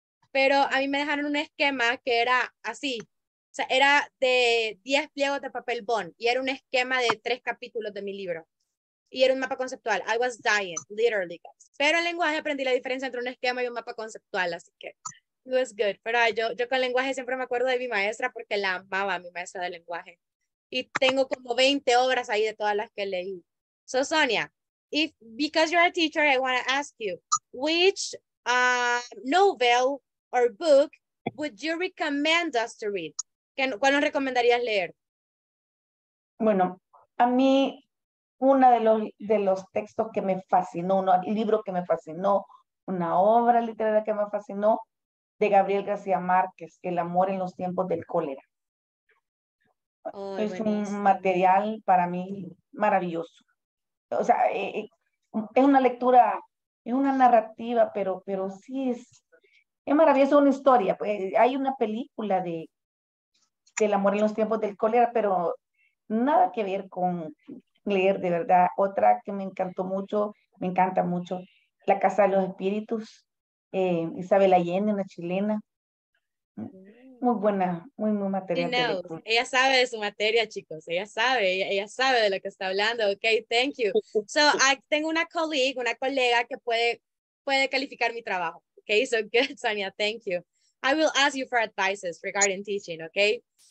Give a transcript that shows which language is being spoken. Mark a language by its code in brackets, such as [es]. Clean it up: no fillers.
[es] Pero a mí me dejaron un esquema que era así, o sea, era de 10 pliegos de papel bond, y era un esquema de 3 capítulos de mi libro. Y era un mapa conceptual. [en] I was dying, literally. [es] Pero en lenguaje aprendí la diferencia entre un esquema y un mapa conceptual, así que... [en] It was good, [es] pero yo con lenguaje siempre me acuerdo de mi maestra porque la amaba, mi maestra de lenguaje. Y tengo como 20 obras ahí de todas las que leí. So, Sonia, [en] if because you're a teacher, I want to ask you, which novel or book would you recommend us to read? [es] ¿Cuál nos recomendarías leer? Bueno, a mí uno de los textos que me fascinó, un libro que me fascinó, una obra literaria que me fascinó, de Gabriel García Márquez, El amor en los tiempos del cólera. Oh, es un material para mí maravilloso. O sea, es una lectura, es una narrativa, pero sí es maravilloso, una historia. Pues hay una película de El amor en los tiempos del cólera, pero nada que ver con leer, de verdad. Otra que me encantó mucho, me encanta mucho, La Casa de los Espíritus, Isabel Allende, una chilena. Muy buena, muy, muy material. Ella sabe de su materia, chicos. Ella sabe de lo que está hablando. [en] Ok, thank you. [es] So, tengo una colega que puede calificar mi trabajo. [en] Ok, so good, Sonia, thank you. I will ask you for advices regarding teaching, ok?